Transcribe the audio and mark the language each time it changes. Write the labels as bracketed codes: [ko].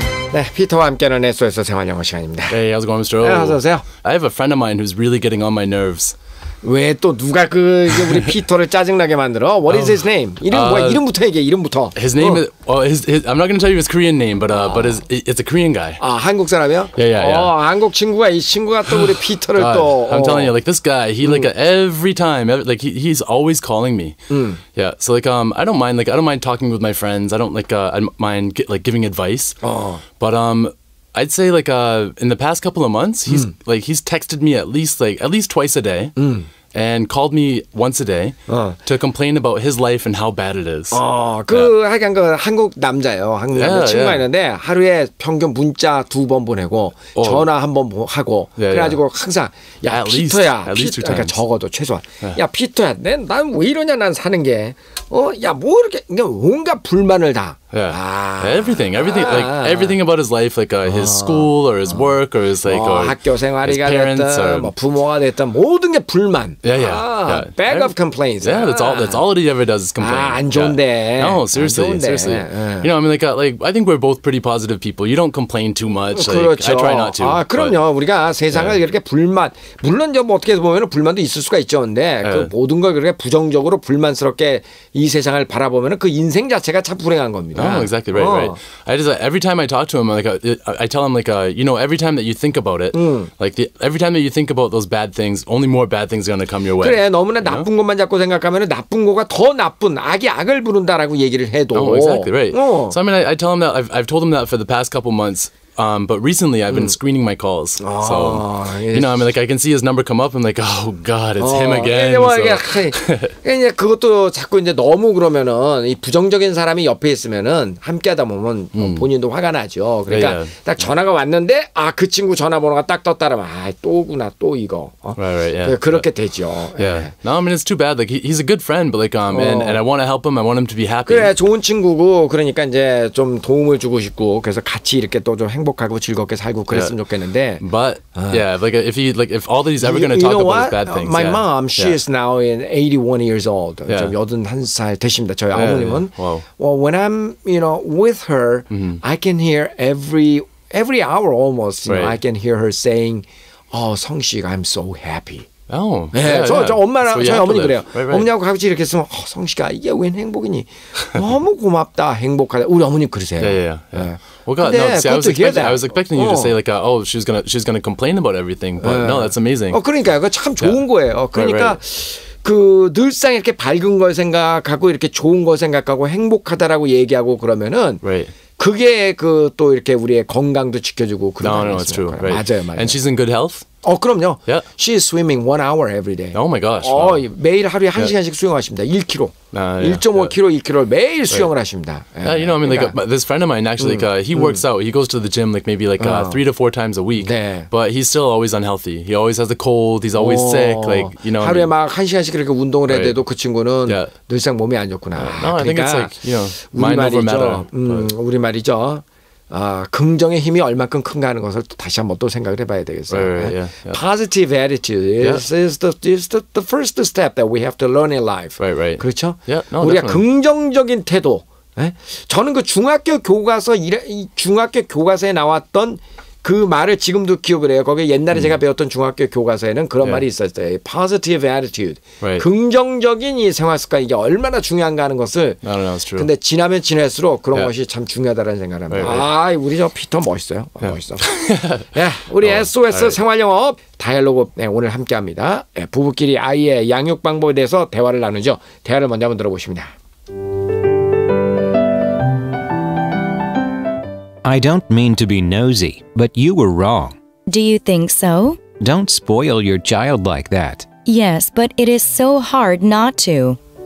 [ko] 네, 피터와 함께하는 SOS 생활영어 시간입니다. [en] Hey, how's it going, Mr. O? [ko] 네, 어서 오세요. [en] I have a friend of mine who's really getting on my nerves. [ko] 왜 또 누가 그 우리 피터를 짜증나게 만들어? [en] What is his name? [ko] 이름 뭐야? 이름부터 얘기해. 이름부터. [en] His name is well, his I'm not going to tell you his Korean name, but but it's a Korean guy. [ko] 아, 한국 사람이요? [en] Yeah, yeah, yeah. [ko] 한국 친구가 이 친구가 또 우리 피터를 또 [en] I'm telling you, like this guy, he like every time, like he's always calling me. Yeah, so like I don't mind like I don't mind talking with my friends. I don't like I mind like giving advice. But I'd say like in the past couple of months, he's like he's texted me at least twice a day, and called me once a day to complain about his life and how bad it is. [ko] 그 하여간 그 한국 남자예요. 한국 남자 친구가 있는데 하루에 평균 문자 두 번 보내고 전화 한 번 하고 그래가지고 항상 야 피터야, 그러니까 적어도 최소한 야 피터야, 난 왜 이러냐, 난 사는 게 야 뭐 이렇게 그냥 온갖 불만을 다. [en] Yeah. Everything like everything about his life, like his school or his work or his like or his parents or [ko] 뭐 부모가 됐던 모든 게 불만. [en] Yeah, yeah. Bag of complaints. Yeah, that's all he ever does is complain. [ko] 안 좋은데. [en] No, seriously. You know, I mean like I think we're both pretty positive people. You don't complain too much. Like, [ko] 그렇죠. [en] I try not to. [ko] 그럼요. 우리가 세상을 이렇게 불만 물론 좀 어떻게 보면은 불만도 있을 수가 있죠. 근데 그 모든 걸 그렇게 부정적으로 불만스럽게 이 세상을 바라보면은 그 인생 자체가 참 불행한 겁니다. [en] Oh, exactly right, right. I just every time I talk to him, like I tell him, like you know, every time that you think about it, like every time that you think about those bad things, only more bad things are gonna come your way. [ko] 그래, 너무나 나쁜 것만 자꾸 생각하면은 나쁜 거가 더 나�un 악이 악을 부른다라고 얘기를 해도. [en] Oh, exactly right. So I mean, I tell him that I've told him that for the past couple months. But recently I've been screening my calls. So you know, I mean like I can see his number come up and like oh god, it's him again. [ko] 그러니까 그것도 자꾸 이제 너무 그러면은 이 부정적인 사람이 옆에 있으면은 함께 하다 보면 본인도 화가 나죠. 그러니까 딱 전화가 왔는데 아 그 친구 전화번호가 딱 떴다 그러면 아 또구나 또 이거. [en] Right, yeah. [ko] 그렇게 되죠. [en] Yeah. No, I mean it's too bad. Like he's a good friend, but like and I want to help him. I want him to be happy. [ko] 그래, 좋은 친구고 그러니까 이제 좀 도움을 주고 싶고 그래서 같이 이렇게 또 좀 행복하고 즐겁게 살고 그랬으면 좋겠는데. [en] But yeah, like if he like if all that he's ever going to talk about is bad things. My mom, she is now in 81 years old. [ko] 81살 되십니다. 저희 아버님은. [en] Well, when I'm, you know, with her, I can hear every hour almost, you know, I can hear her saying, "Oh, 성식, I'm so happy." Oh, [ko] 저 엄마랑 저희 어머니 그래요. 어머니하고 같이 이렇게 있으면 "어, 성식아, 이게 웬 행복이니? 너무 고맙다. 행복하다." 우리 어머니 그러세요. [en] Well, God, no. See, I was expecting you to say like, "Oh, she's gonna complain about everything." But no, that's amazing. [ko] 그러니까요, 그 참 좋은 거예요. 그러니까 그 늘상 이렇게 밝은 걸 생각하고 이렇게 좋은 걸 생각하고 행복하다라고 얘기하고 그러면은 그게 그 또 이렇게 우리의 건강도 지켜주고 그런 거예요. [en] No, it's true. Right. [ko] 맞아요, 맞아요. [en] And she's in good health. [ko] 그럼요. [en] Yeah. She is swimming 1 hour every day. Oh my gosh. [ko] 매일 하루에 한 시간씩 수영하십니다. 1km. 1.5km, 1km 매일 수영을 하십니다. [en] Yeah, you know, I mean, like this friend of mine actually, he works out. He goes to the gym like maybe like 3 to 4 times a week. [ko] 네. [en] But he's still always unhealthy. He always has a cold. He's always sick. Like you know. [ko] 하루에 막 한 시간씩 그렇게 운동을 해도 그 친구는 늘상 몸이 안 좋구나. [en] No, I think it's like you know, mind over matter. [ko] 우리 말이죠. 긍정의 힘이 얼만큼 큰가 하는 것을 다시 한번 또 생각을 해봐야 되겠어요. [en] Positive attitude is the first step that we have to learn in life. Right. [ko] 그렇죠? [en] Yeah, no, [ko] 우리가 [en] definitely. [ko] 긍정적인 태도. 에? 저는 그 중학교 교과서에 나왔던 그 말을 지금도 기억을 해요. 거기 옛날에 제가 배웠던 중학교 교과서에는 그런 말이 있었어요. [en] Positive attitude. Right. [ko] 긍정적인 이 생활 습관 이게 얼마나 중요한가 하는 것을. [en] No, no, that's true. [ko] 근데 지나면 지날수록 그런 것이 참 중요하다는 생각을 합니다. [en] Right. [ko] 아, 우리 저 피터 멋있어요. 멋있어. 예, 우리 SOS 생활영어 다이얼로그 오늘 함께합니다. 예, 부부끼리 아이의 양육 방법에 대해서 대화를 나누죠. 대화를 먼저 한번 들어보십니다. [en] I don't mean to be nosy, but you were wrong. Do you think so? Don't spoil your child like that. Yes, but it is so hard not to.